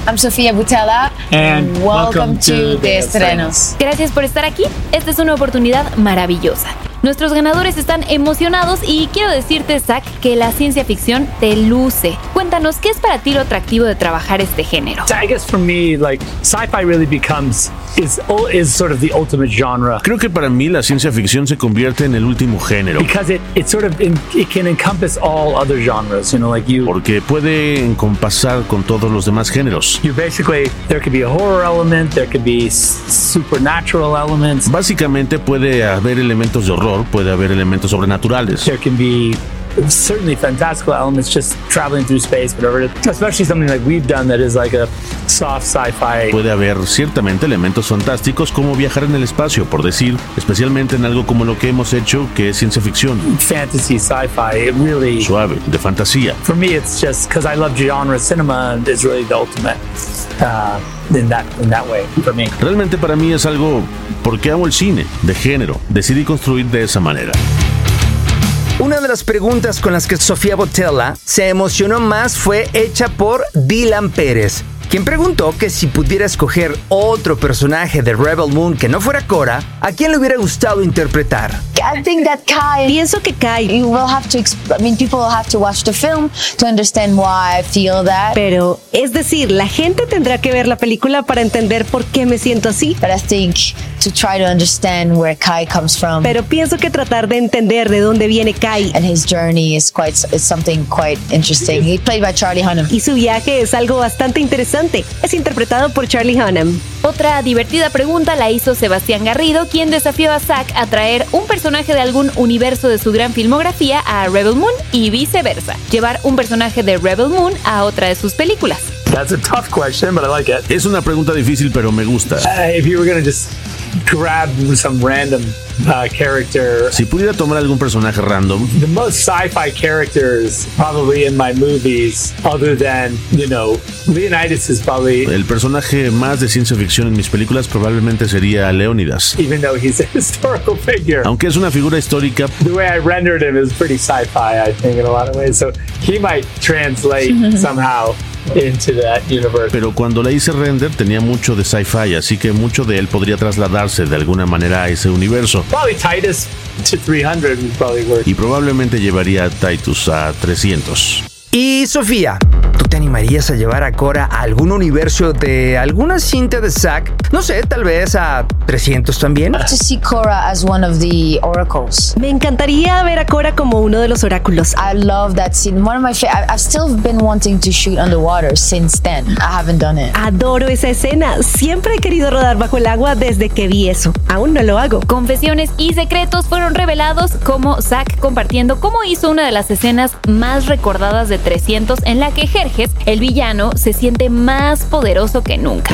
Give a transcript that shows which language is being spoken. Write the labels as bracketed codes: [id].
[en] I'm Sofía Boutella. And welcome to the estrenos. [es] Gracias por estar aquí. Esta es una oportunidad maravillosa. Nuestros ganadores están emocionados y quiero decirte, Zack, que la ciencia ficción te luce. Cuéntanos, ¿qué es para ti lo atractivo de trabajar este género? [en] I guess for me, like, sci-fi really becomes is sort of the ultimate genre. [es] Creo que para mí la ciencia ficción se convierte en el último género. [en] Because it sort of it can encompass all other genres, you know, like you. [es] Porque puede encompasar con todos los demás géneros. [en] You basically there could be a horror element, there could be supernatural elements. [es] Básicamente puede haber elementos de horror, puede haber elementos sobrenaturales. [en] There can be certainly fantastical elements, just traveling through space, whatever. Especially something like we've done that is like a soft sci-fi. [es] Puede haber ciertamente elementos fantásticos como viajar en el espacio, por decir, especialmente en algo como lo que hemos hecho, que es ciencia ficción. [en] Fantasy, sci-fi, it really [es] suave, de fantasía. [en] For me, it's just because I love genre cinema, and it's really the ultimate. In that way, for me. [es] Realmente para mí es algo porque amo el cine de género. Decidí construir de esa manera. Una de las preguntas con las que Sofía Botella se emocionó más fue hecha por Dylan Pérez, quien preguntó que si pudiera escoger otro personaje de Rebel Moon que no fuera Cora, ¿a quién le hubiera gustado interpretar? [en] I think that Kai. [es] Pienso que Kai. [en] You will have to. People will have to watch the film to understand why I feel that. [es] Pero, es decir, la gente tendrá que ver la película para entender por qué me siento así. [en] But I think to try to understand where Kai comes from. [es] Pero pienso que tratar de entender de dónde viene Kai. [en] And his journey is something quite interesting. He's played by Charlie Hunnam. [es] Y su viaje es algo bastante interesante. Es interpretado por Charlie Hunnam. Otra divertida pregunta la hizo Sebastián Garrido, quien desafió a Zack a traer un personaje de algún universo de su gran filmografía a Rebel Moon y viceversa. Llevar un personaje de Rebel Moon a otra de sus películas. [en] That's a tough question, but I like it. [es] Es una pregunta difícil, pero me gusta. [en] If you were gonna just grab some random character. [es] Si pudiera tomar algún personaje random. [en] The most sci-fi characters probably in my movies, other than, you know, Leonidas is probably. [es] El personaje más de ciencia ficción en mis películas probablemente sería Leonidas. [en] Even though he's a historical figure. [es] Aunque es una figura histórica. [en] The way I rendered him is pretty sci-fi, I think, in a lot of ways. So he might translate somehow into that universe. [es] Pero cuando la hice render tenía mucho de sci-fi, así que mucho de él podría trasladarse de alguna manera a ese universo. [en] Probably Titus to 300 would probably work. [es] Y probablemente llevaría a Titus a 300. Y Sofía, ¿tú te animarías a llevar a Cora a algún universo de alguna cinta de Zack? No sé, tal vez a 300 también. [en] To see Cora as one of the oracles. [es] Me encantaría ver a Cora como uno de los oráculos. [en] I love that scene. One of my I've still been wanting to shoot underwater since then. I haven't done it. [es] Adoro esa escena. Siempre he querido rodar bajo el agua desde que vi eso. Aún no lo hago. Confesiones y secretos fueron revelados, como Zack compartiendo cómo hizo una de las escenas más recordadas de 300, en la que Jerjes, el villano, se siente más poderoso que nunca.